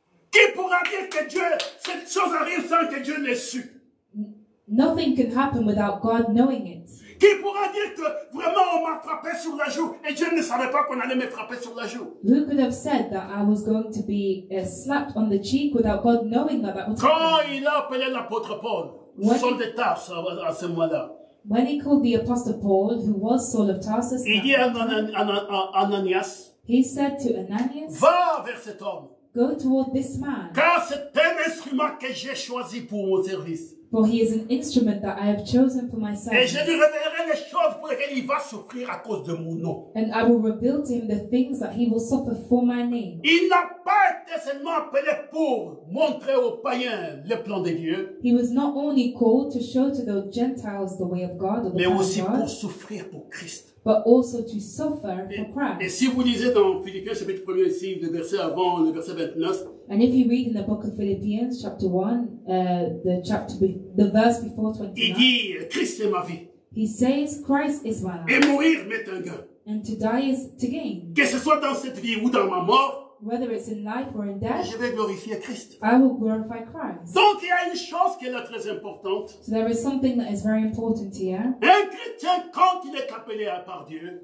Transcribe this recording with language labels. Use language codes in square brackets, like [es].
[fr] Qui pourra dire que Dieu cette chose arrive sans que Dieu l'ait su? [en] Nothing can happen without God knowing it. [fr] Qui pourra dire que vraiment on m'a frappé sur la joue et Dieu ne savait pas qu'on allait me frapper sur la joue? [en] Who could have said that I was going to be slapped on the cheek without God knowing that that was happening? [fr] Quand il a appelé l'apôtre Paul, Saul de Tarsus, à ce moment-là. [en] When he called the apostle Paul, who was Saul of Tarsus, [fr] il dit à Ananias, [en] he said to Ananias, [fr] va vers cet homme. [en] Go toward this man. [fr] Car c'est un instrument que j'ai choisi pour mon service. [en] For he is an instrument that I have chosen for myself. [fr] Et je lui révélerai les choses pour lesquelles il va souffrir à cause de mon nom. [en] And I will reveal to him the things that he will suffer for my name. [fr] Il n'a pas été seulement appelé pour montrer aux païens le plan de Dieu. [en] He was not only called to show to the Gentiles the way of God, or the [fr] mais aussi [en] God, [fr] pour souffrir pour Christ. [en] But also to suffer for Christ. [fr] Et si vous lisez dans Philippiens chapitre 1 ici, le verset avant, le verset 29. [en] And if you read in the book of Philippians chapter 1, the verse before 29. [fr] Il dit, Christ est ma vie. [en] He says, Christ is my life. [fr] Et mourir m'est un gain. [en] And to die is to gain. [fr] Que ce soit dans cette vie ou dans ma mort. [en] Whether it's in life or in death, [fr] je vais glorifier Christ. [en] I will glorify Christ. [fr] Donc il y a une chose qui est là très importante. [en] So there is something that is very important here. [fr] Un chrétien, quand il est appelé par Dieu,